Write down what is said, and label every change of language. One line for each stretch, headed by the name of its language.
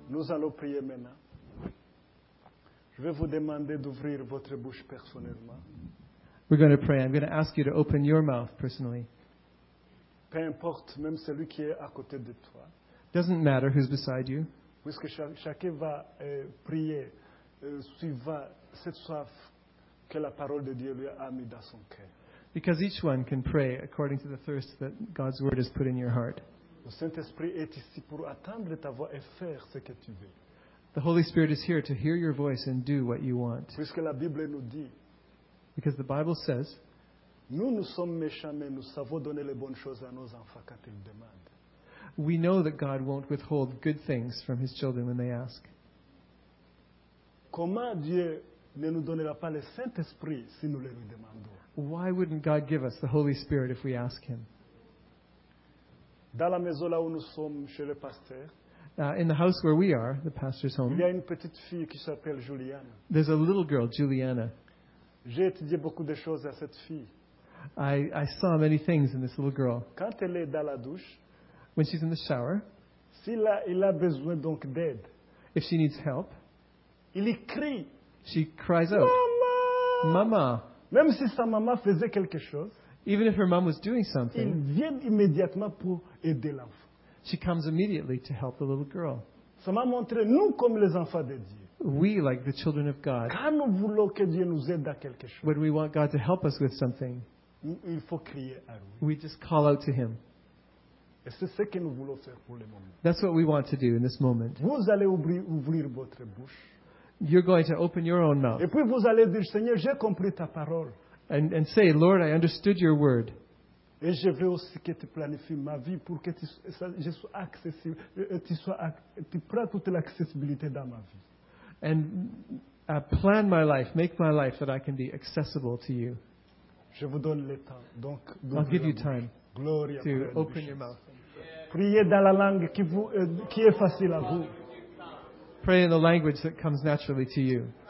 French: allons prier maintenant. Je vais vous demander d'ouvrir votre bouche personnellement.
English: We're going to pray. I'm going to ask you to open your mouth personally.
French: Peu importe, même celui qui est à côté de toi.
English: Doesn't matter who's beside you.
French: Puisque chacun va prier suivant cette soif que la parole de Dieu lui a mis dans son cœur.
English: Because each one can pray according to the thirst that God's word has put in your heart.
French: Le Saint-Esprit est ici pour attendre ta voix et faire ce que tu veux.
English: The Holy Spirit is here to hear your voice and do what you want.
French: Puisque la Bible nous dit.
English: Because the Bible says,
French: nous, nous sommes méchants, mais nous savons donner les bonnes choses à nos enfants quand ils demandent.
English: We know that God won't withhold good things from his children when they ask.
French: Comment Dieu ne nous donnera pas le Saint-Esprit si nous le lui demandons?
English: Why wouldn't God give us the Holy Spirit if we ask him?
French: Dans la maison là où nous sommes, chez le pasteur,
English: In the house where we are, the pastor's home,
French: il y a une petite fille qui s'appelle Juliana.
English: There's a little girl, Juliana.
French: J'ai étudié beaucoup de choses à cette fille.
English: I saw many things in this little girl.
French: Quand elle est dans la douche,
English: when she's in the shower,
French: il a besoin donc d'aide,
English: if she needs help,
French: il y crie,
English: she cries out, Mama!
French: Même si sa maman faisait quelque chose,
English: even if her mom was doing something,
French: il vient immédiatement pour aider l'enfant.
English: She comes immediately to help the little girl.
French: Ça m'a montré, nous, comme les enfants de Dieu,
English: we, like the children of God,
French: quand nous voulons que Dieu nous aide à quelque chose,
English: when we want God to help us with something,
French: il faut crier à lui.
English: We just call out to him.
French: Et c'est ce que nous voulons faire pour le moment.
English: That's what we want to do in this moment.
French: Vous allez ouvrir votre bouche.
English: You're going to open your own mouth.
French: Et puis vous allez dire, Seigneur, j'ai compris ta parole.
English: And say, Lord, I understood your word.
French: Et je veux aussi que tu planifies ma vie pour que je sois accessible. Et tu prends toute l'accessibilité dans ma vie.
English: And plan my life, make my life that I can be accessible to you.
French: Je vous donne le temps. Donc,
English: I'll give you time Gloria to open your mouth.
French: Priez dans la langue qui est facile à vous.
English: Pray in the language that comes naturally to you.